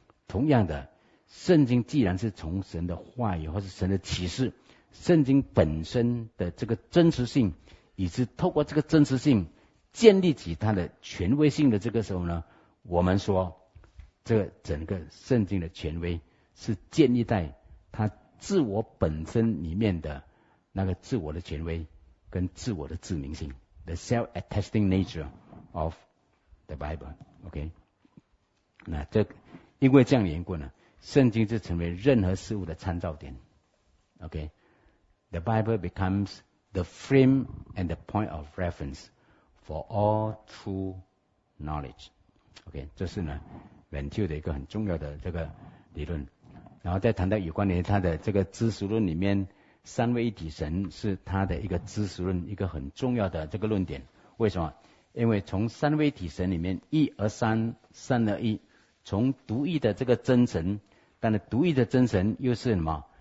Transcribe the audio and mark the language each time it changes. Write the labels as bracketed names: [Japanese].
[Chinese] 同样的，圣经既然是从神的话语或是神的启示，圣经本身的这个真实性，以及透过这个真实性建立起它的权威性的这个时候呢，我们说这个整个圣经的权威是建立在它自我本身里面的那个自我的权威跟自我的自明性 [English] The self-attesting nature of the Bible。 [Chinese] OK, 那这个因为这样的缘故呢，圣经就成为任何事物的参照点。 [English] OK, The Bible becomes the frame and the point of reference for all true knowledge. [Chinese] OK, 这是呢 Venture 的一个很重要的这个理论。然后再谈到有关于他的这个知识论里面，三位一体神是他的一个知识论，一个很重要的这个论点。为什么？因为从三位一体神里面，一而三，三而一，从独一的这个真神，但是独一的真神又是什么？